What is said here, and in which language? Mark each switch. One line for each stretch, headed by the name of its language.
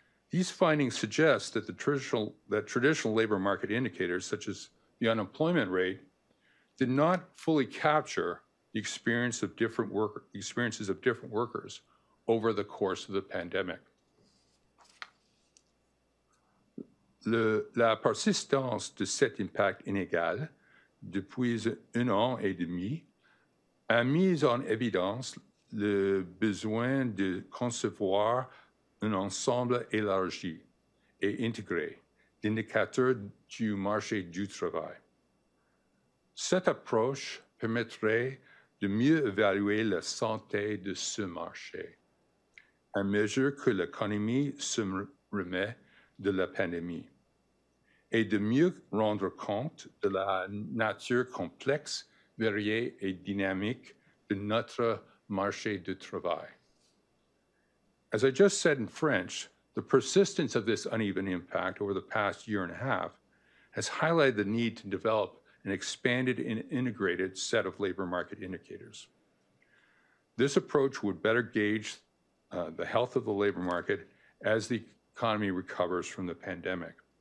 English: These findings suggest that traditional labor market indicators, such as the unemployment rate, did not fully capture the experiences of different workers over the course of the pandemic.
French: La persistance de cet impact inégal depuis un an et demi a mis en évidence le besoin de concevoir un ensemble élargi et intégré d'indicateurs du marché du travail. Cette approche permettrait de mieux évaluer la santé de ce marché, à mesure que l'économie se remet de la pandémie, et de mieux rendre compte de la nature complexe, variée et dynamique de notre marché du travail.
English: As I just said in French, the persistence of this uneven impact over the past year and a half has highlighted the need to develop an expanded and integrated set of labor market indicators. This approach would better gauge the health of the labor market as the economy recovers from the pandemic.